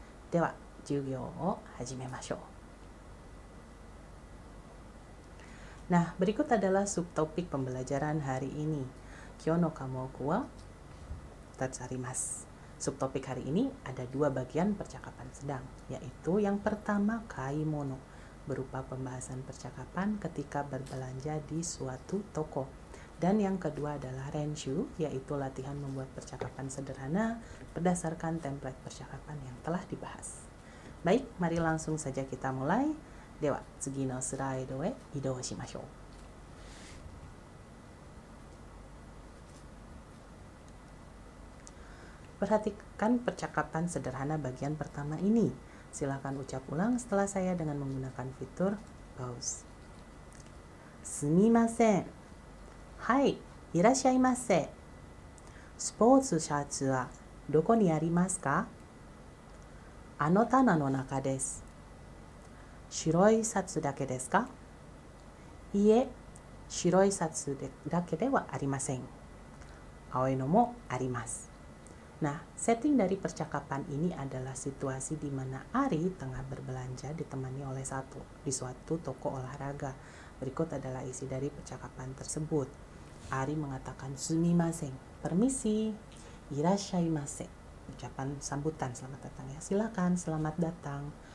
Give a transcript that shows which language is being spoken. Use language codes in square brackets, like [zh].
[ja] では、授業を始めましょう。 [id] Nah, berikut adalah subtopik pembelajaran hari ini. [ja] Kyou no kamoku wa tatsarimasu. [id] Subtopik hari ini ada dua bagian percakapan sedang, yaitu yang pertama kaimono, berupa pembahasan percakapan ketika berbelanja di suatu toko. Dan yang kedua adalah Renshu, yaitu latihan membuat percakapan sederhana berdasarkan template percakapan yang telah dibahas. Baik, mari langsung saja kita mulai. [ja] Dewa, tsugi no slaido e idou shimashou. [id] Perhatikan percakapan sederhana bagian pertama ini. Silakan ucap ulang setelah saya dengan menggunakan fitur pause. [ja] Sumimasen. はい、いらっしゃいませ。スポーツシャツはどこにありますか? あの棚の中です。白いシャツだけですか? いえ、白いシャツだけではありません。青いのもあります。 [id] Nah, setting dari percakapan ini adalah situasi di mana Ari tengah berbelanja ditemani oleh satu di suatu toko olahraga. Berikut adalah isi dari percakapan tersebut. Ari mengatakan sumimasen, permisi, irashaimase, ucapan sambutan selamat datang ya, silakan, selamat datang.